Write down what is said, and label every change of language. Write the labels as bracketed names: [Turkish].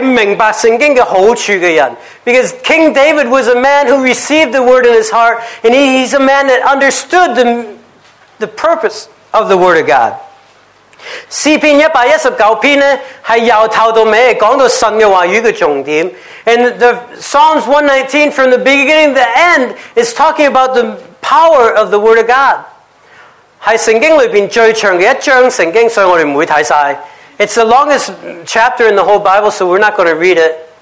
[Chinese] 因为大卫王是一个领受圣经的人，他是明白圣经的好处的人。 [English] Because King David was a man who received the word in his heart, and he's a man that understood the purpose of the word of God. [Chinese] 诗篇119篇是由头到尾讲到神的话语的重点。 [English] And the Psalms 119 from the beginning to the end is talking about the power of the Word of God. [Chinese] 是圣经里面最长的一章圣经，所以我们不会看完。 [English] It's the longest chapter in the whole Bible, so we're not going to read it.